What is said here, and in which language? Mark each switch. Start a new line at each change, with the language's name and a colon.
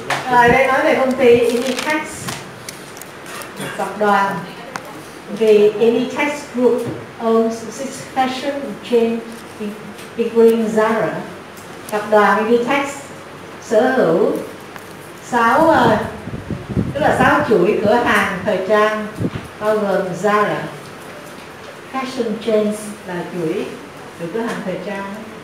Vietnamese: Rồi đây nói về công ty Initex tập đoàn.
English: The Initex Group owns six fashion chains, including Zara.
Vietnamese: Tập đoàn Initex sở hữu 6 tức là 6 chuỗi cửa hàng thời trang bao gồm Zara, fashion chains là chuỗi của cửa hàng thời trang.